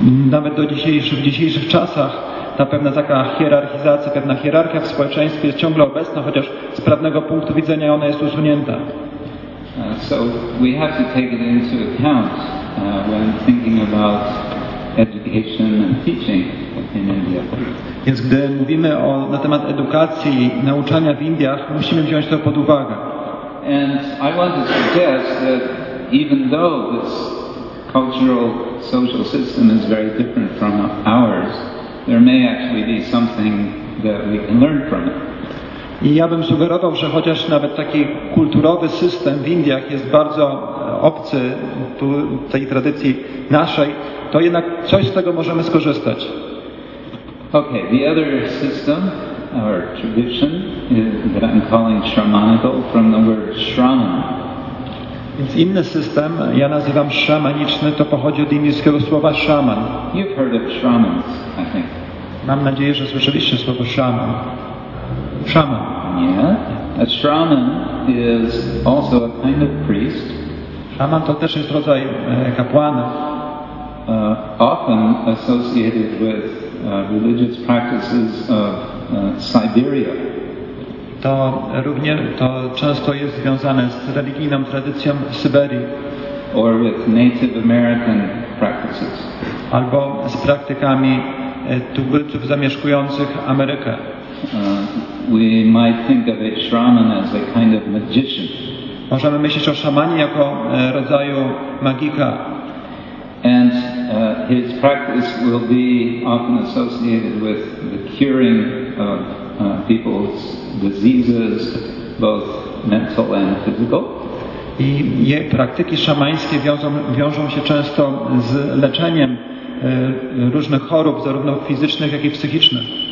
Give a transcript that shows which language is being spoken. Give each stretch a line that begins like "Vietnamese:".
Polish: Nawet w dzisiejszych czasach ta pewna taka hierarchizacja, pewna hierarchia w społeczeństwie jest ciągle obecna, chociaż z prawnego punktu widzenia ona jest usunięta.
English: So we have to take it into account when thinking about education and teaching in India.
Polish: Więc gdy mówimy na temat edukacji, nauczania w Indiach, musimy wziąć to pod uwagę.
English: And I want to suggest that even though this cultural social system is very different from ours, there may actually be something that we can learn from it.
Polish: I ja bym sugerował, że chociaż nawet taki kulturowy system w Indiach jest bardzo obcy tej tradycji naszej, to jednak coś z tego możemy skorzystać.
English: Okay, the other system or tradition that I'm calling shramanical from the word shraman.
Polish: Więc inny system, ja nazywam szamaniczny, to pochodzi od indyjskiego słowa szaman.
English: You've heard of shramans, I think.
Polish: Mam nadzieję, że słyszeliście słowo szaman.
English: Shaman. Yeah. A shraman is also a kind of priest.
Polish: Shaman to też jest rodzaj kapłana.
English: Often associated with religious practices of Siberia.
Polish: To również to często jest związane z religijną tradycją Syberii.
English: Or with Native American practices.
Polish: Albo z praktykami tubylców zamieszkujących Amerykę.
English: We might think of a shraman as a kind of magician.
Polish: Możemy myśleć o szamanie jako rodzaju magika.
English: And his practice will be often associated with the curing of people's diseases, both mental and physical.
Polish: I jej praktyki szamańskie wiążą się często z leczeniem różnych chorób, zarówno fizycznych, jak i psychicznych.